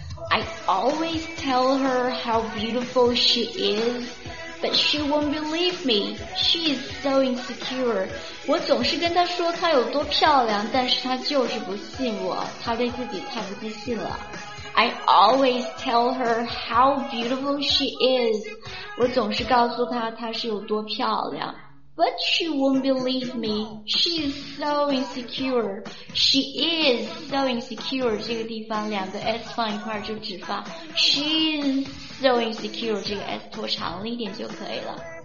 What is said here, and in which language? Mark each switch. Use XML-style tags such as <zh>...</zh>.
<en>I always tell her how beautiful she is. But she won't believe me. She is so insecure.</en> <zh>我总是跟她说她有多漂亮，但是她就是不信我，她对自己太不自信了。</zh> <en>I always tell her how beautiful she is.</en> <zh>我总是告诉她她是有多漂亮。</zh> <en>But she won't believe me. She is so insecure. She is so insecure.</en> <zh>这个地方两个 S 放一块就只发</zh> <en>She is so insecure.</en> <zh>这个 S 拖长了一点就可以了。</zh>